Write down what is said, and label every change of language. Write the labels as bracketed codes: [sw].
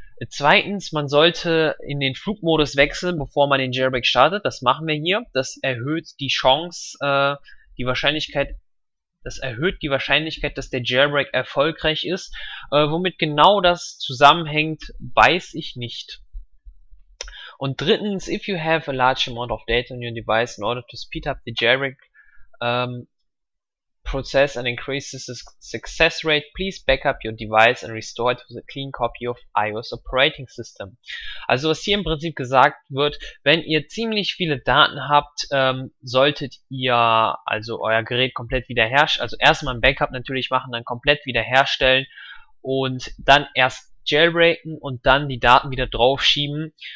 [de] Zweitens, man sollte in den Flugmodus wechseln, bevor man den Jailbreak startet. Das machen wir hier. Das erhöht die Chance, das erhöht die Wahrscheinlichkeit, dass der Jailbreak erfolgreich ist. Womit genau das zusammenhängt, weiß ich nicht. Und drittens, [en] if you have a large amount of data on your device in order to speed up the jailbreak process and increase the success rate, please backup your device and restore it with a clean copy of iOS operating system. [de] Also was hier im Prinzip gesagt wird, wenn ihr ziemlich viele Daten habt, solltet ihr also euer Gerät komplett wiederherstellen, also erstmal ein Backup natürlich machen, dann komplett wiederherstellen und dann erst jailbreaken und dann die Daten wieder draufschieben.